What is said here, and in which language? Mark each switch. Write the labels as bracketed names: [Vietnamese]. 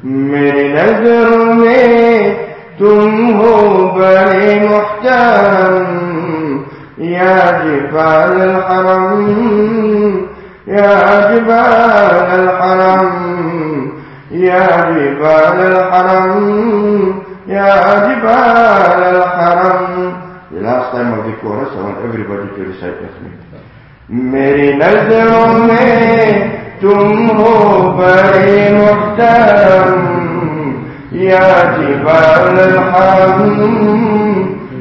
[Urdu] میری نظروں میں تم ہو بڑے محترم [Arabic] یا جبال الحرم يا جبال الحرم يا جبال الحرم يا جبال الحرم The last time of the chorus, I want everybody to recite with me. [Urdu] میری نظروں میں تم ہو بڑے محترم [Arabic] یا جبال الحرم